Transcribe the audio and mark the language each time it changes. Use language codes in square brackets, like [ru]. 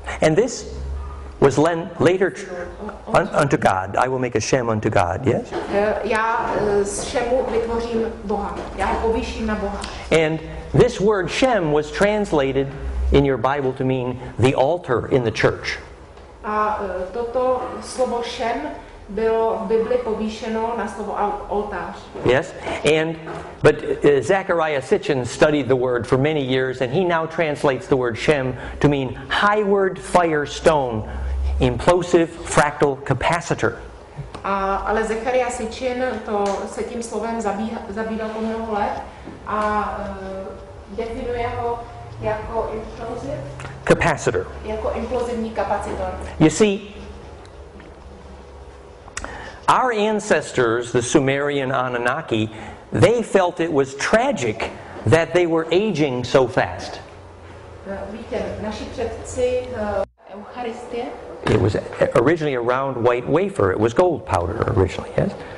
[en] And this was later unto God. I will make a Shem unto God. Yes. [cs] Já z Shemu vytvořím Boha. Já povýším na Boha. [en] And this word Shem was translated in your Bible to mean the altar in the church. [cs] A toto slovo Shem bylo v Bibli povýšeno na slovo oltář. [en] Yes. And but Zachariah Sitchin studied the word for many years, and he now translates the word Shem to mean highward fire stone, implosive fractal capacitor. [cs] Ale Zachariah Sitchin to se tím slovem zabýval po mnoho let a definuje ho jako implosive [en] capacitor. [cs] Jako implozivní kapacitor. [en] You see, our ancestors, the Sumerian Anunnaki, they felt it was tragic that they were aging so fast. [cs] Víte, naši předci Eucharistie. [en] It was originally a round white wafer. It was gold powder originally, yes.